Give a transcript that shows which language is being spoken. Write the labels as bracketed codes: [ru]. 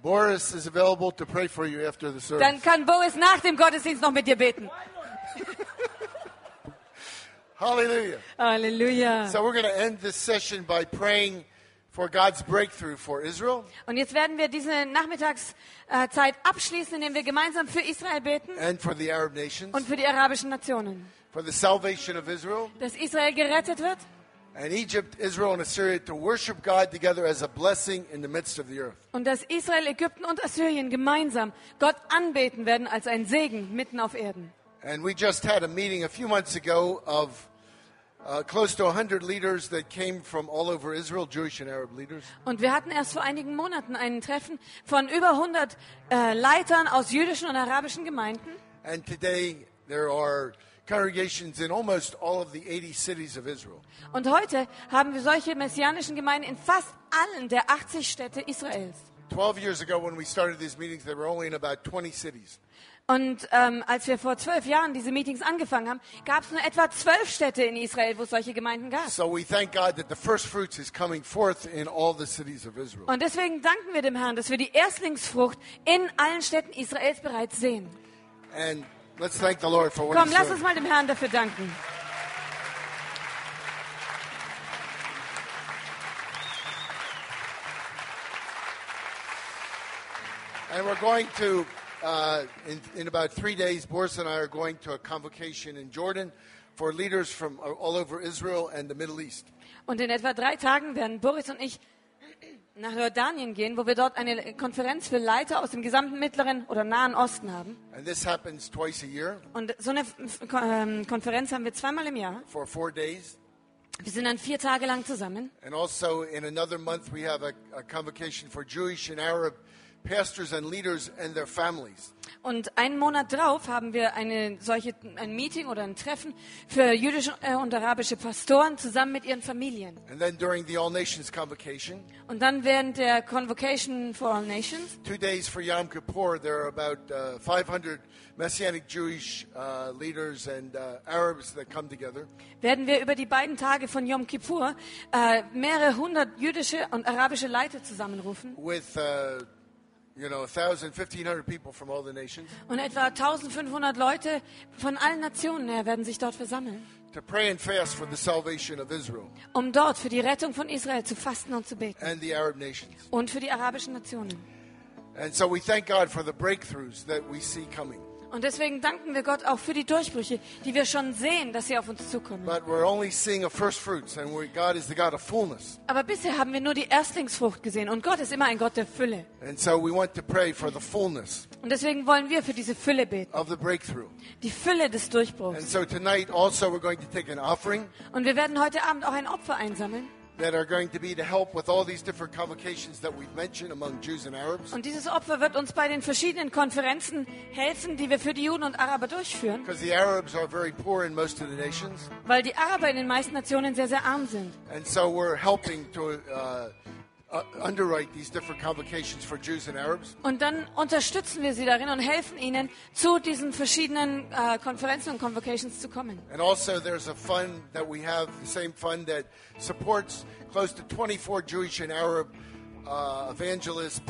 [en] Boris is available to pray for you after the service. [de] Dann kann Boris nach dem Gottesdienst noch mit dir beten. Hallelujah. Hallelujah. [en] So we're going to end this session by praying for God's breakthrough for Israel. [de] Und jetzt werden wir diese Nachmittagszeit abschließen, indem wir gemeinsam für Israel beten. [en] And for the Arab nations. [de] Und für die arabischen Nationen. [en] For the salvation of Israel. [de] Dass Israel gerettet wird. [en] And Egypt, Israel and Assyria to worship God together as a blessing in the midst of the earth. [de] Und dass Israel, Ägypten und Assyrien gemeinsam Gott anbeten werden als ein Segen mitten auf Erden. [en] And we just had a meeting a few months ago of close to 100 leaders that came from all over Israel, Jewish and Arab leaders. [de] Und wir hatten erst vor einigen Monaten ein Treffen von über 100 Leitern aus jüdischen und arabischen Gemeinden. [en] And today there are congregations in almost all of the 80 cities of Israel. [de] Und heute haben wir solche messianischen Gemeinden in fast allen der 80 Städte Israels. [en] 12 years ago when we started these meetings there were only in about 20 cities. [de] Und als wir vor 12 Jahren diese Meetings angefangen haben, gab es nur etwa 12 Städte in Israel, wo es solche Gemeinden gab. [en] So we thank God that the first fruits is coming forth in all the cities of Israel. [de] Und deswegen danken wir dem Herrn, dass wir die Erstlingsfrucht in allen Städten Israels bereits sehen. [en] And let's thank the Lord for what [de] Komm, lass uns mal dem Herrn dafür danken. [en] And we're going to in about 3 days, Boris and I are going to a convocation in Jordan for leaders from all over Israel and the Middle East. [de] Und in etwa 3 Tagen werden Boris und ich nach Jordanien gehen, wo wir dort eine Konferenz für Leiter aus dem gesamten Mittleren oder Nahen Osten haben. [en] And this happens twice a year. [de] Und so eine Konferenz haben wir zweimal im Jahr. [en] For 4 days. [de] Wir sind dann 4 Tage lang zusammen. [en] And also in another month we have a convocation for Jewish and Arab pastors and leaders and their families. [de] Und einen Monat drauf haben wir ein Meeting oder ein Treffen für jüdische und arabische Pastoren zusammen mit ihren Familien. [en] And then during the All Nations convocation. [de] Und dann während der Convocation for All Nations. [en] 2 days for Yom Kippur, there are about 500 Messianic Jewish leaders and Arabs that come together. [de] Werden wir über die beiden Tage von Yom Kippur mehrere hundert jüdische und arabische Leiter zusammenrufen. [en] With you know, 1,500 people from all the nations. [de] Und etwa 1,500 Leute von allen Nationen her werden sich dort versammeln. [en] To pray and fast for the salvation of Israel. [de] Um dort für die Rettung von Israel zu fasten und zu beten. [en] And the Arab nations. [de] Und für die arabischen Nationen. [en] And so we thank God for the breakthroughs that we see coming. [de] Und deswegen danken wir Gott auch für die Durchbrüche, die wir schon sehen, dass sie auf uns zukommen. [en] But we're only seeing a first fruits, and God is the God of fullness. [de] Aber bisher haben wir nur die Erstlingsfrucht gesehen, und Gott ist immer ein Gott der Fülle. [en] And so we want to pray for the fullness. [de] Und deswegen wollen wir für diese Fülle beten. [en] Of the breakthrough. [de] Die Fülle des Durchbruchs. [en] And so tonight also we're going to take an offering. [de] Und wir werden heute Abend auch ein Opfer einsammeln. [en] That are going to be to help with all these different convocations that we've mentioned among Jews and Arabs. [de] Und dieses Opfer wird uns bei den verschiedenen Konferenzen helfen, die wir für die Juden und Araber durchführen. [en] Because the Arabs are very poor in most of the nations. [de] Weil die Araber in den meisten Nationen sehr, sehr arm sind. [en] And so we're helping to underwrite these different convocations for Jews and Arabs. [de] Und dann unterstützen wir sie darin und helfen ihnen, zu diesen verschiedenen Konferenzen und Convocations zu kommen. [en] And also there's a fund that we have, the same fund that supports close to 24 Jewish and Arab evangelists.